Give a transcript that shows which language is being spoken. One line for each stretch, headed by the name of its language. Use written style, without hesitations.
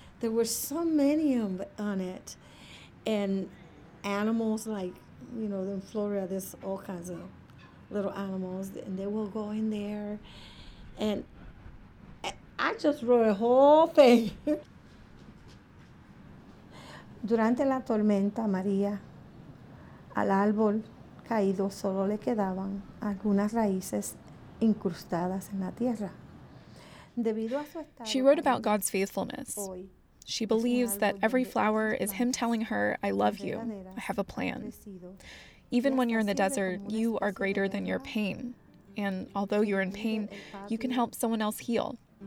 English: There were so many on it. And animals, like, you know, in Florida, there's all kinds of little animals, and they will go in there. And I just wrote a whole thing.
Spanish: Durante la tormenta, María, al árbol caído solo le quedaban algunas raíces incrustadas en la tierra. Debido a su estado,
English: she wrote about God's faithfulness. She believes that every flower is him telling her, I love you, I have a plan. Even when you're in the desert, you are greater than your pain. And although you're in pain, you can help someone else heal.